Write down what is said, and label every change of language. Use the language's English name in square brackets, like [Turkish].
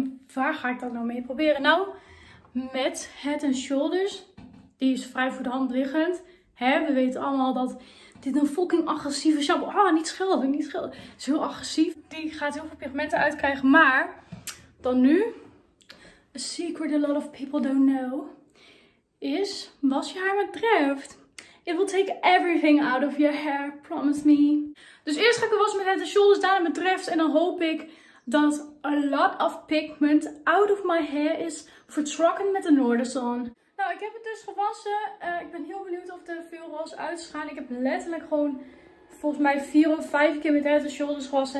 [Dutch] En waar ga ik dat nou mee proberen? Nou, met Head & Shoulders. Die is vrij voor de hand liggend. Hè, we weten allemaal dat dit een fucking agressieve shampoo... Ah, niet schelden, niet schelden. Het is heel agressief. Die gaat heel veel pigmenten uitkrijgen, maar dan nu... [English] A secret a lot of people don't know is, [Dutch] was je haar met drift? [English] It will take everything out of your hair, promise me. [Dutch] Dus eerst ga ik wassen met Head & Shoulders, daarna met drift. En dan hoop ik dat [English] a lot of pigment out of my hair [Dutch] is vertrokken met de noorderzon. Nou, ik heb het dus gewassen. Ik ben heel benieuwd of er veel was uitgegaan. Ik heb letterlijk gewoon volgens mij 4 of 5 keer met Head & Shoulders gewassen.